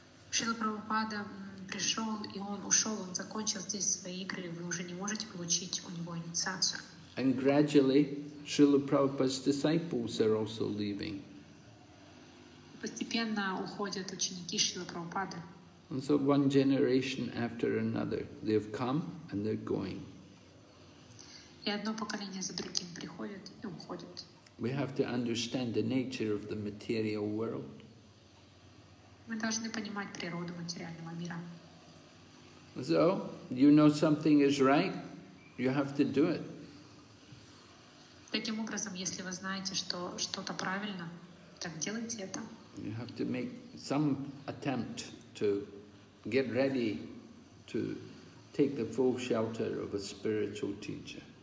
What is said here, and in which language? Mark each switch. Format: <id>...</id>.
<ru>Шрила Прабхупада пришел, и он ушел, он закончил здесь свои игры, вы уже не можете получить у него инициацию.</ru> <en>And gradually, Srila Prabhupada's disciples are also leaving.</en> <ru>Постепенно уходят ученики Шрилы Прабхупады.</ru> <en>And so one generation after another, they've come and they're going.</en> <ru>И одно поколение за другим приходит и уходит.</ru> <en>We have to understand the nature of the material world.</en> <ru>Мы должны понимать природу материального мира.</ru> <en>So, you know something is right, you have to do it.</en> <ru>Таким образом, если вы знаете, что что-то правильно, так делайте это.</ru> <en>You have to make some attempt to get ready to take the full shelter of a spiritual teacher.</en>